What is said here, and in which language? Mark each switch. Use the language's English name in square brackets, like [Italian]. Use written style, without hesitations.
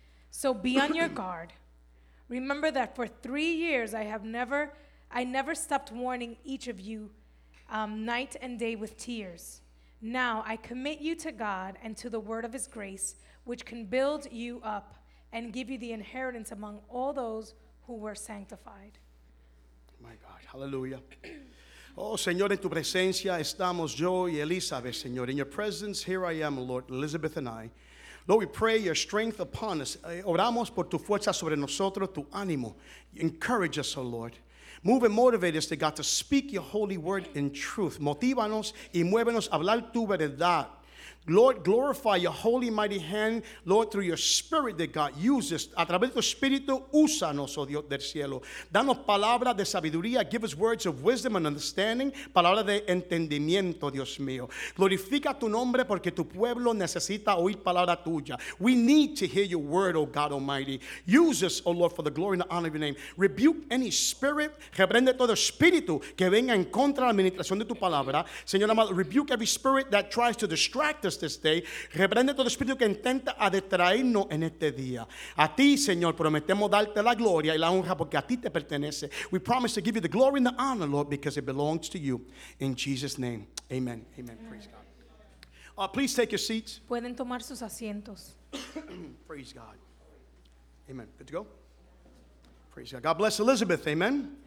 [English] So be on your guard. Remember that for 3 years I never stopped warning each of you night and day with tears. Now I commit you to God and to the word of his grace, which can build you up and give you the inheritance among all those who were sanctified. My God, hallelujah. [Spanish] Oh, Señor, en tu presencia estamos yo y Elizabeth, Señor. [English] In your presence, here I am, Lord, Elizabeth and I. Lord, we pray your strength upon us. [Spanish] Oramos por tu fuerza sobre nosotros, tu ánimo. [English] Encourage us, oh Lord. Move and motivate us, God, to speak your holy word in truth. [Spanish] Motívanos y muévenos a hablar tu verdad. [English] Lord, glorify your holy mighty hand, Lord, through your spirit that God uses. [Spanish] A través de tu espíritu, úsanos, oh Dios del cielo. Danos palabras de sabiduría. [English] Give us words of wisdom and understanding. [Spanish] Palabras de entendimiento, Dios mío. Glorifica tu nombre porque tu pueblo necesita oír palabra tuya. [English] We need to hear your word, oh God Almighty. Use us, oh Lord, for the glory and the honor of your name. Rebuke any spirit. [Spanish] Reprende todo espíritu que venga en contra de la administración de tu palabra. Señor amado, [English] rebuke every spirit that tries to distract this day. [Spanish] Reprende todo espíritu que intenta a distraernos en este día. A ti, Señor, prometemos darte la gloria y la honra porque a ti te pertenece. [English] We promise to give you the glory and the honor, Lord, because it belongs to you. In Jesus' name. Amen. Amen. Amen. Praise God. Please take your seats. [Spanish] Pueden tomar sus asientos. [English] Praise God. Amen. Good to go? Praise God. God bless Elizabeth. Amen.